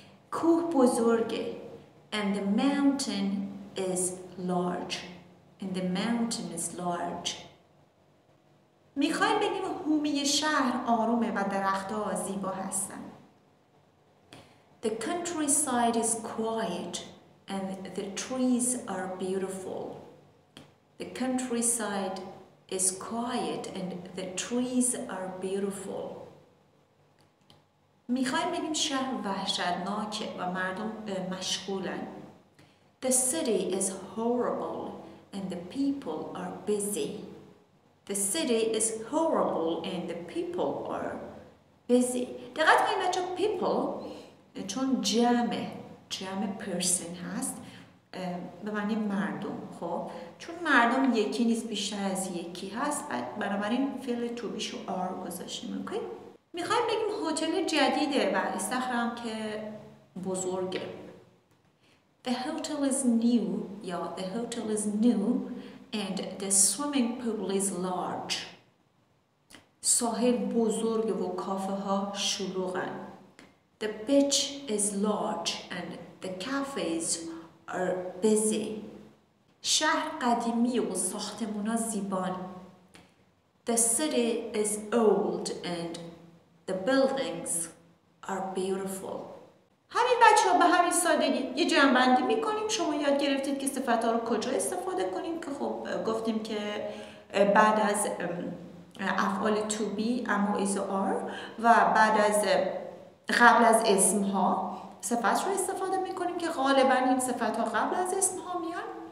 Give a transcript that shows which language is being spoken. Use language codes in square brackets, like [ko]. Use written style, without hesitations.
[fa] کوه بزرگه. [en] And the mountain is large. And the mountain is large. [fa] میخواییم بگیم هومی شهر آرومه و درخت ها زیبا هستن. [en] The countryside is quiet and the trees are beautiful. The countryside is quiet and the trees are beautiful. [fa] میخواییم بگیم شهر وحشتناکه و مردم مشغولن. [en] The city is horrible and the people are busy. The city is horrible and the people are busy. [fa] دقت کنید بچه people چون جمعه جمعه person هست به معنی مردم. خب چون مردم یکی نیست بیشتر از یکی هست بنابراین فعل تو بیشو آر گذاشتیم. اوکی؟ میخوایم بگیم هتل جدیده و استخرم که بزرگه. [en] The hotel is new. Yeah, the hotel is new. And the swimming pool is large. [fa] ساحل بزرگه و کافه ها شلوغن. [en] The beach is large and the cafes are busy. [fa] شهر قدیمی و ساختمونا زیبان. [en] The city is old and the buildings are beautiful. [fa] همین بچه ها به همین سادگی یه جمع‌بندی میکنیم. شما یاد گرفتید که صفت ها رو کجا استفاده کنیم که خب گفتیم که بعد از افعال to be am or is or و بعد از قبل از اسم ها صفت رو استفاده میکنیم که غالبا این صفت ها قبل از اسم ها میان.